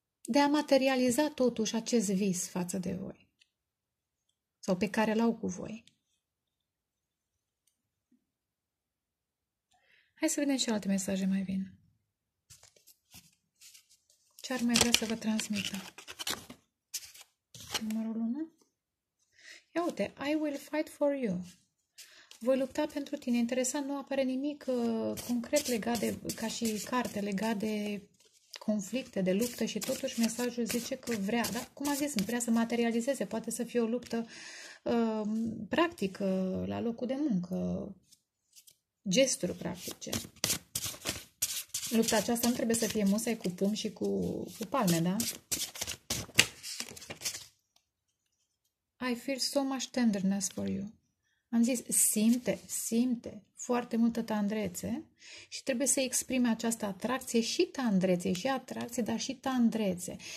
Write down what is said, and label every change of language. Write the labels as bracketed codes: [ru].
[ro] De a materializa totuși acest vis față de voi. Sau pe care l-au cu voi. Hai să vedem și alte mesaje mai vin. Ce ar mai vrea să vă transmită? Numărul 1. Ia uite, [en] I will fight for you. [ro] Voi lupta pentru tine. Interesant, nu apare nimic concret legat de, ca și carte, legat de conflicte, de luptă și totuși mesajul zice că vrea, da? Cum a zis, vrea să materializeze, poate să fie o luptă practică la locul de muncă, gesturi practice. Lupta aceasta nu trebuie să fie musai cu pumn și cu palme, da? [en] I feel so much tenderness for you. [ro] Am zis, simte, simte foarte multă tandrețe și trebuie să exprime această atracție și tandrețe, și atracție, dar și tandrețe.